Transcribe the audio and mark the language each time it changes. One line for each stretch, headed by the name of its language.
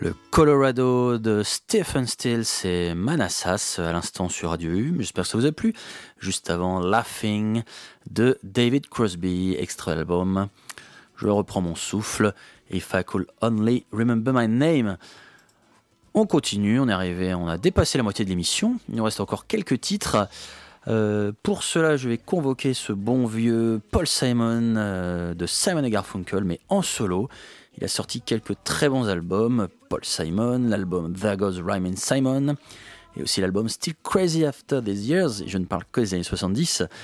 French: Colorado de Stephen Stills et Manassas à l'instant sur Radio U. J'espère que ça vous a plu. Juste avant, Laughing de David Crosby, extra album. Je reprends mon souffle.
English: If I could only remember my name.
French: On continue, on est arrivé, on a dépassé la moitié de l'émission. Il nous reste encore quelques titres. Pour cela, je vais convoquer ce bon vieux Paul Simon de Simon & Garfunkel, mais en solo. Il a sorti quelques très bons albums, Paul Simon, l'album There Goes Rhyme & Simon, et aussi l'album Still Crazy After These Years, et je ne parle que des années 70.